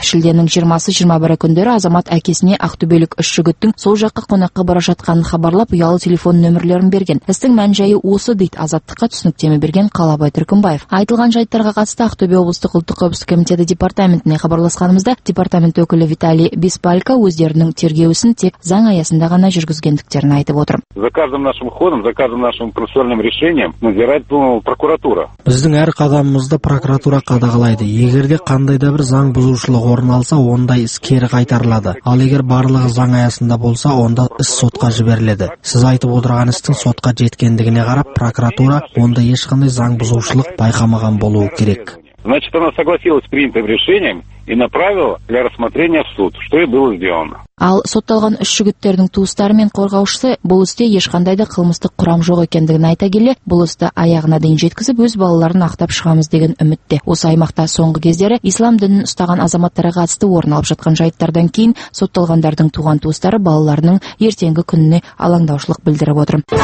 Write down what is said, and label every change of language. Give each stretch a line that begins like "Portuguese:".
Kazakh: Шілденің 20-21 күндері Азамат әкесіне ақтөбелік үш жігіттің сол жаққа қонаққа бара жатқанын хабарлап ұялы телефон нөмірлерін берген. Істің мән-жайы осы дейді Азаттыққа түсініктеме берген Қалабай Түркімбаев. Айтылған жайттарға қатысты Ақтөбе облыстық ұлттық қауіпсіздік комитеті департаментіне хабарласқанымызда департамент өкілі Виталий Беспалько өздерінің тергеу ісін тек заң аясында ғана жүргізгендіктерін айтып отыр.
Russian: За каждым нашим ходом, за каждым нашим процессуальным решением надзирает прокуратура.
Kazakh: Біздің әр қадамымызды прокуратура қадағалайды. Егер де қандай да бір заң бұзушылық орын алса, ондай іс кері қайтарылады. Ал егер барлығы заң аясында болса, онда іс сотқа жіберіледі. Сіз айтып отырған істің сотқа жеткендігіне қарап, прокуратура онда ешқандай заң бұзушылық байқамаған болуы керек.
Russian: Значит, она согласилась с принятым решением и направила для рассмотрения в суд, что и было сделано.
Kazakh: Ал сотталған үш жігіттердің туыстары мен қорғаушысы бұл істе ешқандай да қылмыстық құрам жоқ екендігін айта келе, бұл істі аяғына дейін жеткізіп өз балаларын ақтап шығамыз деген үмітте. Осы аймақта соңғы кездері ислам дінін ұстаған азаматтарға қатысты орын алып жатқан жайттардан кейін сотталғандардың туған туыстары балаларының ертеңгі күніне алаңдаушылық білдіріп отыр.